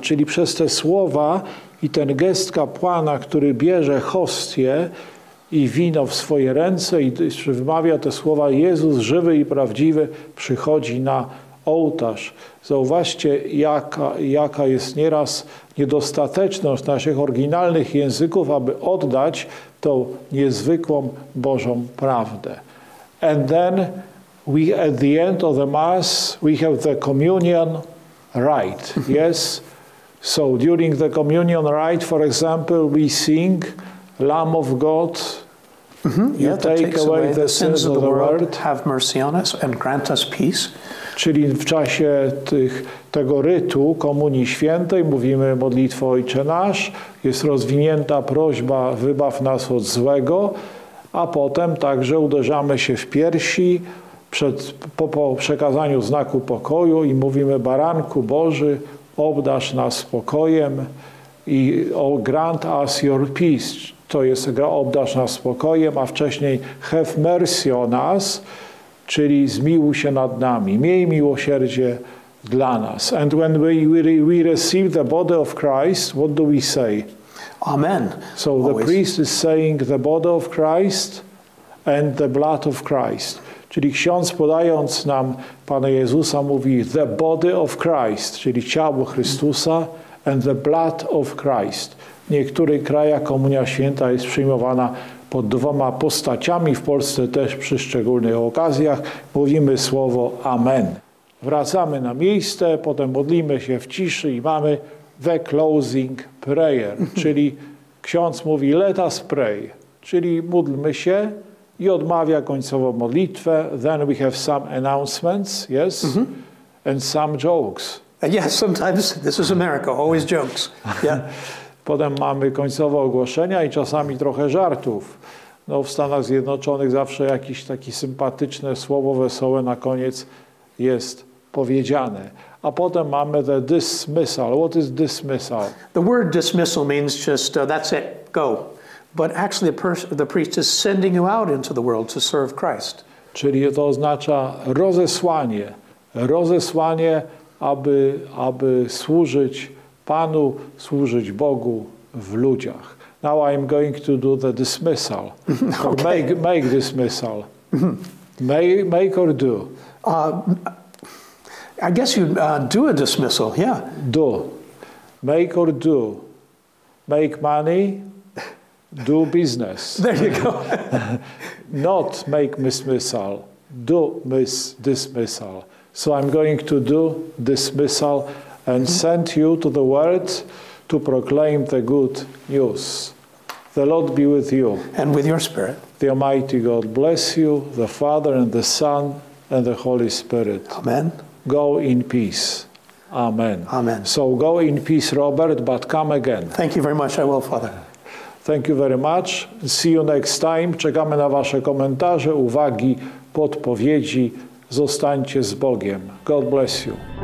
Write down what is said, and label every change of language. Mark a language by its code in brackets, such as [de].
[pl] Czyli przez te słowa i ten gest kapłana, który bierze hostię i wino w swoje ręce i wymawia te słowa, Jezus żywy i prawdziwy przychodzi na ołtarz. Zauważcie, jaka jest nieraz niedostateczność naszych oryginalnych języków, aby oddać tą niezwykłą Bożą prawdę. [en] And then we at the end of the Mass, we have the communion rite, yes? So during the communion rite, for example, we sing, Lamb of God, you take away the sins of the world. Have mercy on us and grant us peace. [pl] Czyli w czasie tego rytu Komunii Świętej mówimy modlitwę Ojcze Nasz, jest rozwinięta prośba, wybaw nas od złego, a potem także uderzamy się w piersi po przekazaniu znaku pokoju i mówimy Baranku Boży, obdarz nas spokojem i [en] grant us your peace. [pl] To jest obdarz nas spokojem, a wcześniej [en] have mercy on us, [pl] czyli zmiłuj się nad nami. Miej miłosierdzie dla nas. [en] And when we receive the body of Christ, what do we say? Amen. So the always. Priest is saying the body of Christ and the blood of Christ. [pl] Czyli ksiądz podając nam Pana Jezusa mówi [en] the body of Christ, [pl] czyli ciało Chrystusa [en] and the blood of Christ. [pl] W niektórych krajach Komunia Święta jest przyjmowana pod dwoma postaciami, w Polsce też przy szczególnych okazjach. Mówimy słowo Amen. Wracamy na miejsce, potem modlimy się w ciszy i mamy [en] the closing prayer, [pl] czyli ksiądz mówi [en] let us pray, [pl] czyli módlmy się. I odmawia końcową modlitwę. [en] Then we have some announcements, yes, and some jokes. Yes, sometimes this is America. Always jokes. Yeah. [pl] Potem mamy końcowe ogłoszenia i czasami trochę żartów. No w Stanach Zjednoczonych zawsze jakieś takie sympatyczne słowo wesołe na koniec jest powiedziane. A potem mamy [en] the dismissal. What is dismissal? The word dismissal means just that's it, go. But actually the priest is sending you out into the world to serve Christ. [pl] Czyli to oznacza rozesłanie. Rozesłanie, aby służyć Panu, służyć Bogu w ludziach. [en] Now I'm going to do the dismissal. Okay. Make dismissal. Make or do? I guess you do a dismissal, yeah. Do. Make or do? Make money, do business. There you go. Not make dismissal, do dismissal. So I'm going to do dismissal and send you to the world to proclaim the good news. The Lord be with you. And with your spirit. The Almighty God bless you, the Father and the Son and the Holy Spirit. Amen. Go in peace. Amen. Amen. So go in peace, Robert, but come again. Thank you very much. I will, Father. Thank you very much. See you next time. [pl] Czekamy na wasze komentarze, uwagi, podpowiedzi. Zostańcie z Bogiem. [en] God bless you.